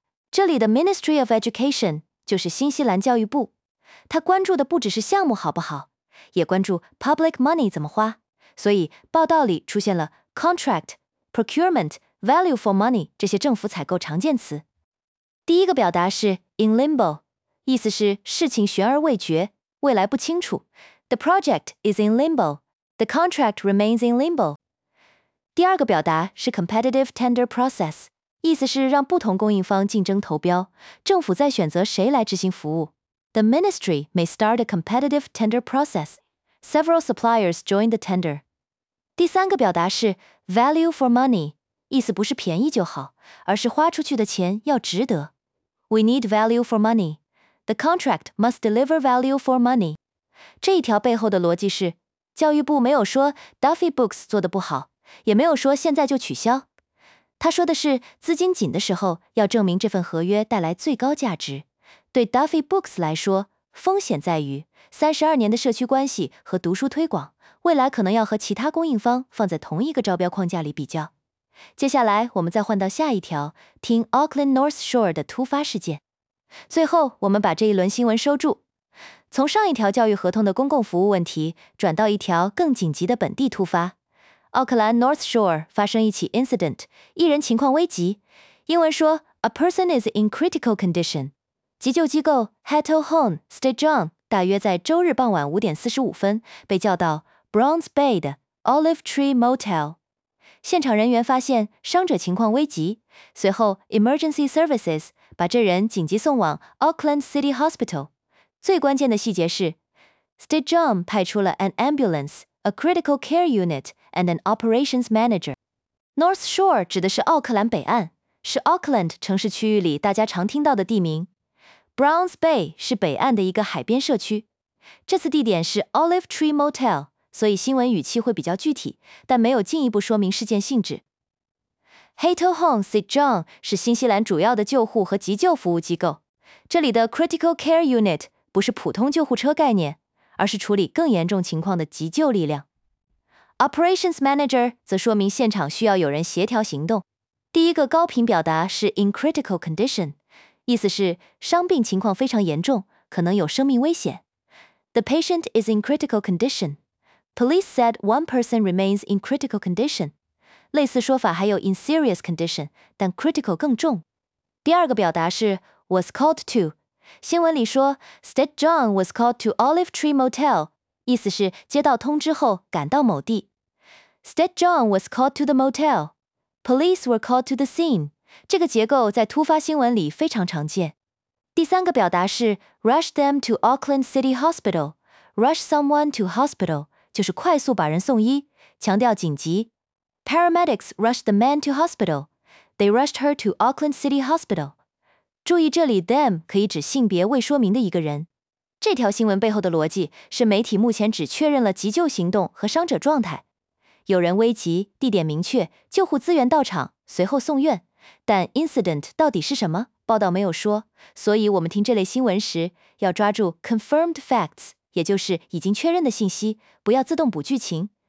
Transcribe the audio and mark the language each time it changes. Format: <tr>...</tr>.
<zh>这里的 Ministry of Education 就是新西兰教育部，他关注的不只是项目好不好，也关注 Public Money 怎么花，所以报道里出现了 Contract、Procurement、Value for Money 这些政府采购常见词。第一个表达是 In Limbo， 意思是事情悬而未决，未来不清楚。</zh> <en>The project is in limbo. The contract remains in limbo.</en> <zh>第二个表达是 competitive tender process， 意思是让不同供应方竞争投标，政府在选择谁来执行服务。</zh> <en>The ministry may start a competitive tender process. Several suppliers join the tender.</en> <zh>第三个表达是 value for money， 意思不是便宜就好，而是花出去的钱要值得。</zh> <en>We need value for money. The contract must deliver value for money.</en> <zh>这一条背后的逻辑是，教育部没有说 Duffy Books 做得不好，也没有说现在就取消。他说的是，资金紧的时候要证明这份合约带来最高价值。对 Duffy Books 来说，风险在于32年的社区关系和读书推广，未来可能要和其他供应方放在同一个招标框架里比较。接下来我们再换到下一条，听 Auckland North Shore 的突发事件。最后我们把这一轮新闻收住，从上一条教育合同的公共服务问题转到一条更紧急的本地突发。奥克兰 North Shore 发生一起 incident， 一人情况危急，英文说</zh> <en>A person is in critical condition。</en> <zh>急救机构 Hato Hone State John 大约在周日傍晚5:45被叫到 Browns Bay 的 Olive Tree Motel。现场人员发现伤者情况危急，随后 Emergency Services 把这人紧急送往 Auckland City Hospital。最关键的细节是 State John 派出了</zh> <en>an ambulance, a critical care unit and an operations manager。</en> <zh>North Shore 指的是奥克兰北岸，是 Auckland 城市区域里大家常听到的地名。 Browns Bay 是北岸的一个海边社区，这次地点是 Olive Tree Motel， 所以新闻语气会比较具体，但没有进一步说明事件性质。 Hato Hone St John 是新西兰主要的救护和急救服务机构，这里的 Critical Care Unit 不是普通救护车概念，而是处理更严重情况的急救力量。 Operations Manager 则说明现场需要有人协调行动。第一个高频表达是 in critical condition， 意思是伤病情况非常严重，可能有生命危险。</zh> <en>The patient is in critical condition. Police said one person remains in critical condition.</en> <zh>类似说法还有 in serious condition， 但 critical 更重。第二个表达是 was called to， 新闻里说</zh> <en>State John was called to Olive Tree Motel，</en> <zh>意思是接到通知后赶到某地。</zh> <en>State John was called to the motel. Police were called to the scene，</en> <zh>这个结构在突发新闻里非常常见。第三个表达是</zh> <en>rush them to Auckland City Hospital， rush someone to hospital</en> <zh>就是快速把人送医，强调紧急。</zh> <en>Paramedics rushed the man to hospital， they rushed her to Auckland City Hospital。</en> <zh>注意这里 them 可以指性别未说明的一个人。这条新闻背后的逻辑是媒体目前只确认了急救行动和伤者状态，有人危急，地点明确，救护资源到场，随后送院，但 incident 到底是什么，报道没有说，所以我们听这类新闻时要抓住 confirmed facts， 也就是已经确认的信息，不要自动补剧情。</zh>